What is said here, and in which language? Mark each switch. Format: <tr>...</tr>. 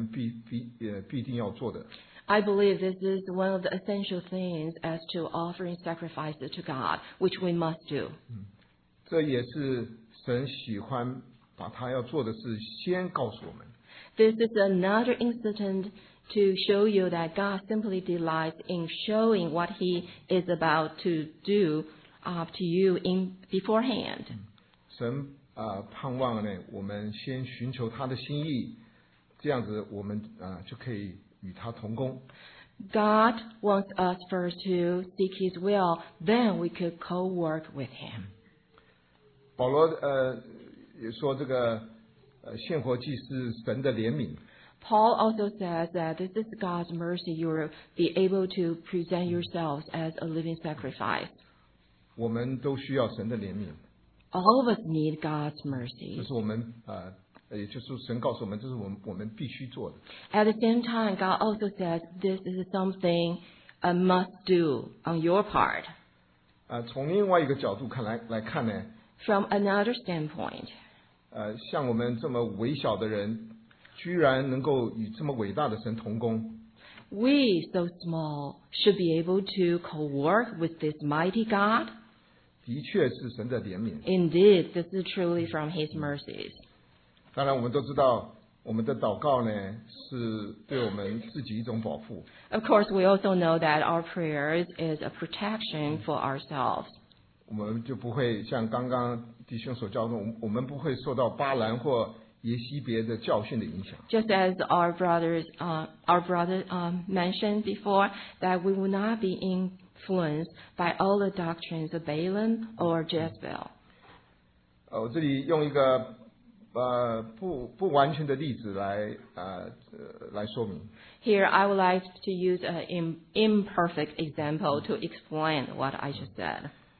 <zh>我想这是献活祭里面我们必定要做的。</zh> <en>I believe this is one of the essential things as to offering sacrifices to God, which we must do.</en> <zh>这也是神喜欢把他要做的事先告诉我们。</zh> <en>This is another incident to show you that God simply delights in showing what He is about to do to you in beforehand.</en> <zh>神盼望呢，我们先寻求他的心意，这样子我们就可以与他同工。</zh> <en>God wants us first to seek His will, then we could co-work with Him.</en> <zh>保罗也说这个献活祭是神的怜悯。</zh> <en>Paul also says that this is God's mercy. You will be able to present yourselves as a living sacrifice.</en> <zh>我们都需要神的怜悯。</zh> <en>All of us need God's mercy.</en> <zh>这是我们也就是神告诉我们，这是我们必须做的。</zh> <en>At the same time, God also says this is something a must do on your part.</en> <zh>从另外一个角度来看呢。</zh> <en>From another standpoint.</en> <zh>像我们这么微小的人。居然能够与这么伟大的神同工。</zh> <en>We, so small, should be able to co-work with this mighty God.</en> <zh>的确是神的怜悯。</zh> <en>Indeed, this is truly from His mercies.</en> <zh>当然我们都知道我们的祷告呢是对我们自己一种保护。</zh> <en>Of course, we also know that our prayers is a protection for ourselves.</en> <zh>我们就不会像刚刚弟兄所教导，我们不会受到巴兰或耶西别的教训的影响。</zh> <en>Just as our brother mentioned before, that we will not be influenced by all the doctrines of Balaam or Jezebel.</en> <zh>我这里用一个不完全的例子来说明。</zh> <en>Here I would like to use an imperfect example to explain what I just said.</en>